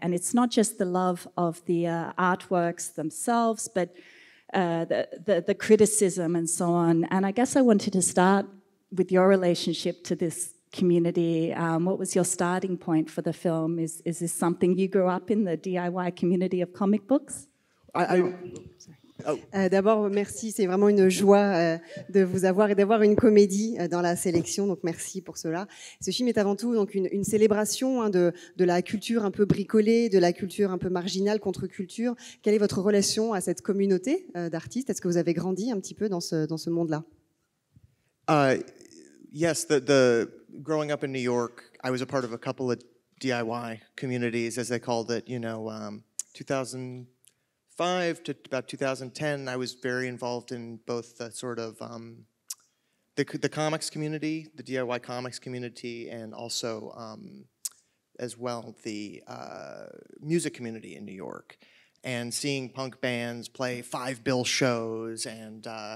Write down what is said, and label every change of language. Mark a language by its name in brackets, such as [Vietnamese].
[English] And it's not just the love of the artworks themselves, but the criticism and so on. And I guess I wanted to start with your relationship to this community. What was your starting point for the film? Is this something you grew up in, the DIY community of comic books? [French] D'abord, merci. C'est vraiment une joie de vous avoir et d'avoir une comédie dans la sélection. Donc, merci pour cela. Ce film est avant tout donc une célébration hein, de la culture un peu bricolée, de la culture un peu marginale, contre-culture. Quelle est votre relation à cette communauté d'artistes? Est-ce que vous avez grandi un petit peu dans ce monde-là? [English] Yes, growing up in New York, I was a part of a couple of DIY communities, as they called it, you know, 2005 to about 2010, I was very involved in both the sort of the comics community, the DIY comics community, and also as well the music community in New York, and seeing punk bands play five bill shows and,